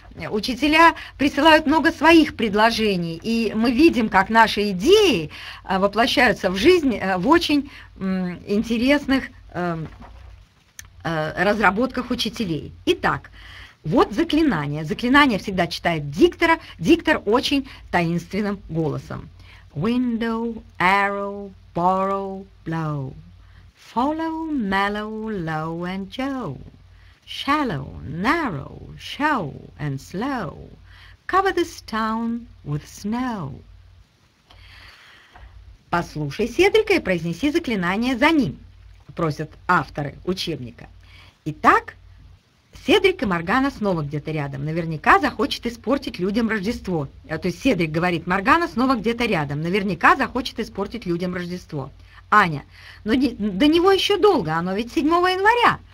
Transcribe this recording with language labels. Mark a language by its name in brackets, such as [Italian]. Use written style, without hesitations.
[Russian] Учителя присылают много своих предложений, и мы видим, как наши идеи воплощаются в жизнь в очень интересных разработках учителей. Итак. Вот заклинание. Заклинание всегда читает диктора. Диктор очень таинственным голосом. [English] Window, arrow, borrow, blow. Follow, mellow, low and joe. Shallow, narrow, show and slow. Cover this town with snow. [Russian] Послушай Седрика и произнеси заклинание за ним, просят авторы учебника. Итак, Седрик и Моргана снова где-то рядом. Наверняка захочет испортить людям Рождество. То есть Седрик говорит, Моргана снова где-то рядом. Наверняка захочет испортить людям Рождество. Аня, но до него еще долго, оно ведь 7 января.